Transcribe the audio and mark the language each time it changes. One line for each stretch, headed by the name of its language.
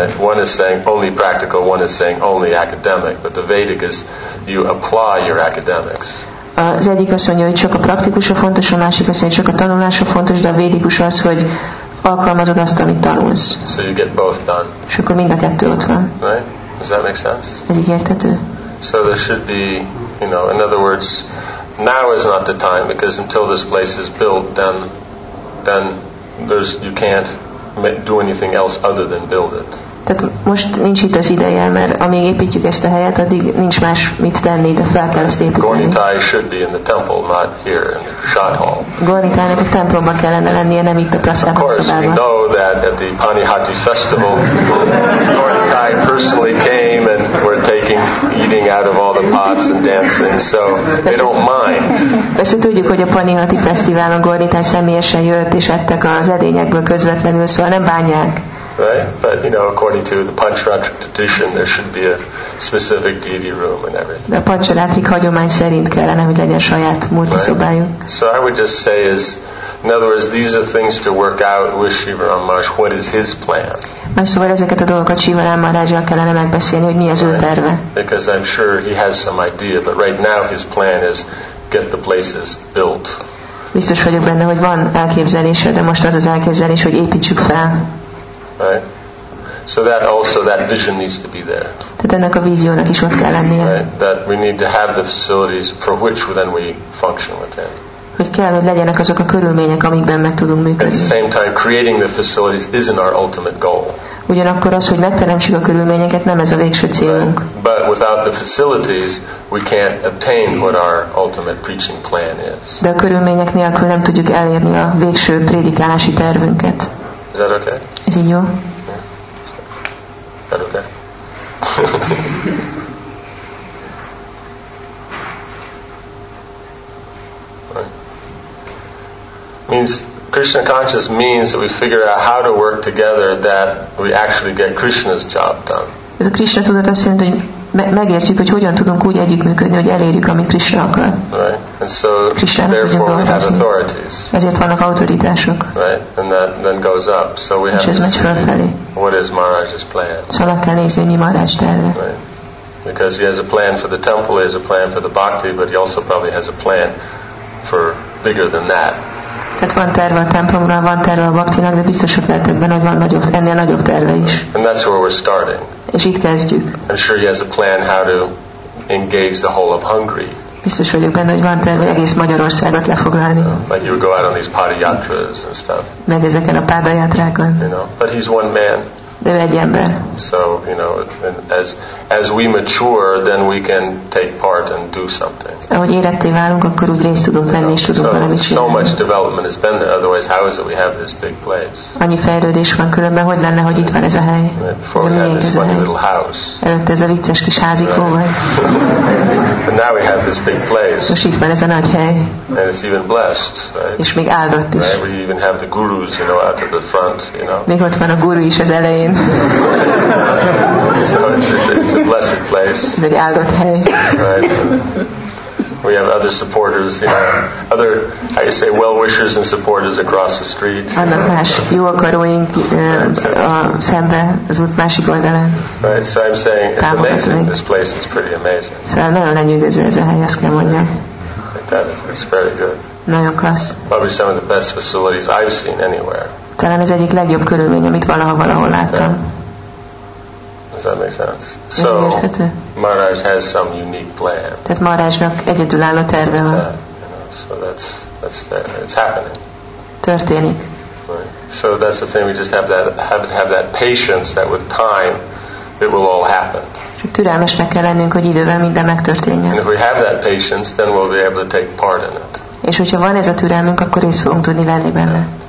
English: One is saying only practical, one is saying only academic, but the Vedic is you apply your academics.
Hungarian: Az egyik azt mondja, hogy csak a praktikusra fontos, a másik azt mondja, hogy csak a tanulásra fontos, de a védikus az, hogy alkalmazod azt, amit tanulsz.
English: So you get both done.
Hungarian: És akkor mind a kettő ott van.
English: Right? Does that make sense?
Hungarian: Ez így érthető?
English: So there should be, you know, in other words, now is not the time, because until this place is built, then there's, you can't do anything else other than build it.
Hungarian: Tehát most nincs itt az ideje, mert amíg építjük ezt a helyet, addig nincs más mit tenni, de fel kell ezt építeni.
English: Gornitai should be in the temple, not here in Shot Hall.
Hungarian: Gornitainak a templomba kellene lennie, nem itt a Prasadam szobában.
English: Of course, we know that at the Panihati festival, Gornitai personally came and were taking, eating out of all the pots and dancing, so they don't mind.
Hungarian: Persze tudjuk, hogy a Panihati fesztiválon Gornitai személyesen jött és ettek az edényekből közvetlenül, szóval nem bánják.
English: Right, but you know, according to the Panchratri tradition, there should be a specific deity room and everything.
Hungarian: De a Panchratri hagyomány szerint kellene, hogy legyen saját multiszobájuk.
English: Right. So I would just say, is in other words, these are things to work out with Shiva Ramaraj. What is his plan?
Hungarian: Szóval ezeket a dolgokat Shiva Ramarajjal kellene megbeszélni, hogy mi az ő terve.
English: Because I'm sure he has some idea, but right now his plan is get the places built.
Hungarian: Biztos vagyok benne, hogy van elképzelése, de most az az elképzelés, hogy építsük fel.
English: Right. So that also that vision needs to be there.
Hungarian: Tehát ennek a víziónak is ott kell lennie.
English: Right. That we need to have the facilities for which then we function within.
Hungarian: Hogy kell, hogy legyenek azok a körülmények, amikben meg tudunk működni.
English: At the same time, creating the facilities isn't our ultimate goal.
Hungarian: Ugyanakkor az, hogy megteremtsük a körülményeket, nem ez a végső célunk.
English: Right. But without the facilities, we can't obtain what our ultimate preaching plan is.
Hungarian: De a körülmények nélkül nem tudjuk elérni a végső prédikálási tervünket.
English: Is that okay? Is it you? Is that okay? Right. Means Krishna conscious means that we figure out how to work together that we actually get Krishna's job done.
Hungarian: Ez a Krishna tudat azt jelenti, hogy megértjük, hogy hogyan tudunk úgy együttműködni, hogy elérjük, amit Krishna akar.
English: Right. And so Krishna-nak therefore we have authorities.
Hungarian: Ezért vannak autoritások.
English: Right. And that then goes up. So we have to see what is Maharaj's plan.
Hungarian: Szóval kell nézni, mi Maharaj terve.
English: Because he has a plan for the temple, he has a plan for the bhakti, but he also probably has a plan for bigger than that.
Hungarian: Tehát van terve a templomra, van terve a baktinak, de biztos, hogy lehet ebben, hogy van nagyobb, ennél nagyobb terve is.
English: And that's where we're starting.
Hungarian: És itt kezdjük.
English: I'm sure he has a plan how to engage the whole of Hungary.
Hungarian: Biztos vagyok benne, hogy van terve egész Magyarországot lefoglalni.
English: Like you go out on these padayatras and stuff.
Hungarian: Meg ezeken a padayatrákon.
English: You know, but he's one man.
Hungarian: De egy ember.
English: So, you know, as we mature, then we can take part and do something.
Hungarian: Ahogy éretté válunk, akkor úgy részt tudunk venni, és tudunk valamit csinálni.
English: So much development has been there, otherwise how is it we have this big place?
Hungarian: Annyi fejlődés van, különben hogy lenne, hogy itt van ez a hely?
English: Before we had this funny little house.
Hungarian: Előtte ez a vicces kis házikó volt.
English: But now we have this big place.
Hungarian: Most itt van ez a nagy hely.
English: And it's even blessed, right?
Hungarian: És még áldott is.
English: Right? We even have the gurus, you know, out at the front, you know.
Hungarian: Még ott van a guru is az elején.
English: So it's a blessed place. Very
Hungarian: áldott hely.
English: Right. We have other supporters, you know, other, how you say, well-wishers and supporters across the street.
Hungarian: Annak más jó akaróink szembe, az út másik oldalán.
English: Right, so I'm saying it's amazing. This place is pretty amazing.
Hungarian: Szóval nagyon lenyűgöző ez a hely, azt kell mondjam.
English: It's very good.
Hungarian: Nagyon klassz.
English: Probably some of the best facilities I've seen anywhere.
Hungarian: Talán ez egyik legjobb körülmény, amit valahol láttam.
English: Does that make sense? So, Maharaj has some unique plan.
Hungarian: Tehát Maharajnak egyedülálló terve van.
English: So that's there. It's happening.
Hungarian: Történik.
English: Right. So that's the thing. We just have to have that patience that with time it will all happen.
Hungarian: Csak türelmesnek kell lennünk, hogy idővel minden megtörténjen.
English: And if we have that patience, then we'll be able to take part in it.
Hungarian: És hogyha van ez a türelmünk, akkor részt fogunk tudni venni benne.